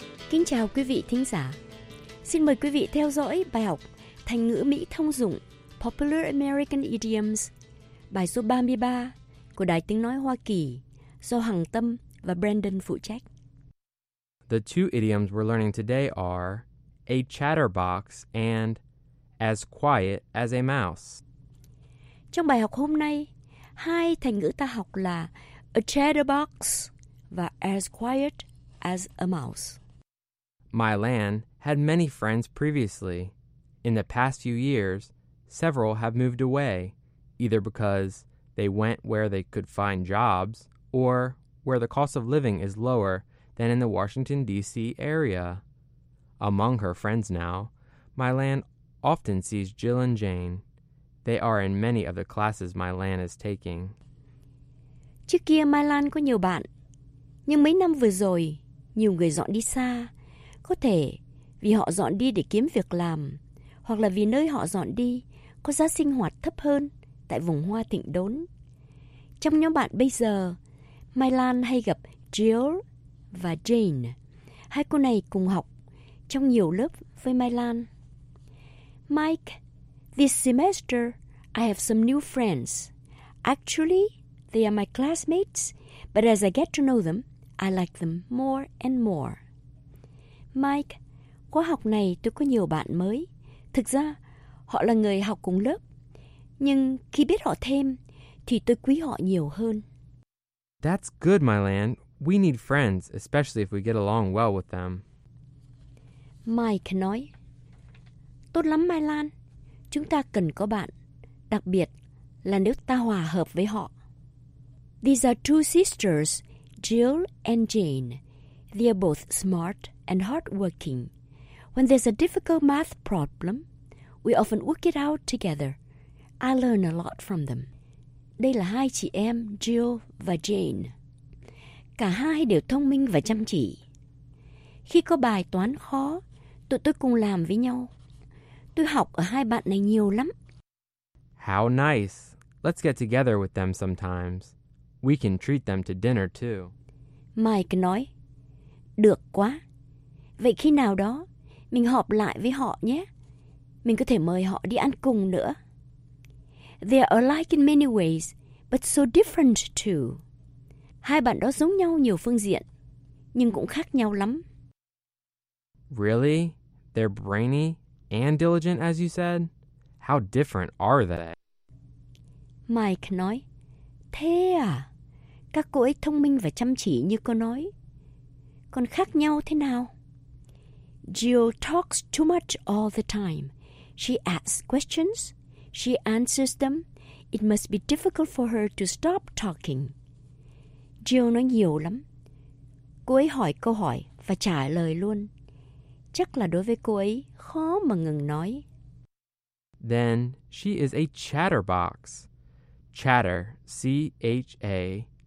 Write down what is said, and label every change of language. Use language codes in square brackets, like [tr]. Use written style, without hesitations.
[vi] Kính chào quý vị thính giả. Xin mời quý vị theo dõi bài học thành ngữ Mỹ thông dụng Popular American Idioms, bài số 33 của Đài Tiếng Nói Hoa Kỳ do Hằng Tâm và Brandon phụ trách. [en] The two idioms we're learning today are a chatterbox and as quiet as a mouse. [vi] Trong bài học hôm nay, hai thành ngữ ta học là [en] a chatterbox [vi] và [en] as quiet as a mouse. My Lan had many friends previously. In the past few years, several have moved away, either because they went where they could find jobs or where the cost of living is lower than in the Washington, D.C. area. Among her friends now, My Lan often sees Jill and Jane. They are in many of the classes My Lan is taking. [vi] Trước kia My Lan có nhiều bạn, nhưng mấy năm vừa rồi, nhiều người dọn đi xa. Có thể vì họ dọn đi để kiếm việc làm, hoặc là vì nơi họ dọn đi có giá sinh hoạt thấp hơn tại vùng hoa thịnh đốn. Trong nhóm bạn bây giờ, Mai Lan hay gặp Jill và Jane. Hai cô này cùng học trong nhiều lớp với Mai Lan. [en] Mike, this semester I have some new friends. Actually, they are my classmates, but as I get to know them, I like them more and more. [vi] Mike, khóa học này tôi có nhiều bạn mới. Thực ra, họ là người học cùng lớp. Nhưng khi biết họ thêm, thì tôi quý họ nhiều hơn. [en] That's good, My Lan. We need friends, especially if we get along well with them. [vi] Mike nói, tốt lắm, My Lan. Chúng ta cần có bạn, đặc biệt là nếu ta hòa hợp với họ. [en] These are two sisters, Jill and Jane. They are both smart and hardworking. When there's a difficult math problem, we often work it out together. I learn a lot from them. [vi] Đây là hai chị em Jill và Jane. Cả hai đều thông minh và chăm chỉ. Khi có bài toán khó, tụi tôi cùng làm với nhau. Tôi học ở hai bạn này nhiều lắm. [en] How nice. Let's get together with them sometimes. We can treat them to dinner too. [vi] Mike nói, được quá. Vậy khi nào đó, mình họp lại với họ nhé. Mình có thể mời họ đi ăn cùng nữa. [en] They are alike in many ways, but so different too. [vi] Hai bạn đó giống nhau nhiều phương diện, nhưng cũng khác nhau lắm. [en] Really? They're brainy and diligent, as you said? How different are they? [vi] Mike nói, thế à? Các cô ấy thông minh và chăm chỉ như cô nói. Còn khác nhau thế nào? [en] Jill talks too much all the time. She asks questions. She answers them. It must be difficult for her to stop talking. [vi] Jill nói nhiều lắm. Cô ấy hỏi câu hỏi và trả lời luôn. Chắc là đối với cô ấy khó mà ngừng nói. [en] Then she is a chatterbox. Chatter, C-H-A-T-T-E-R.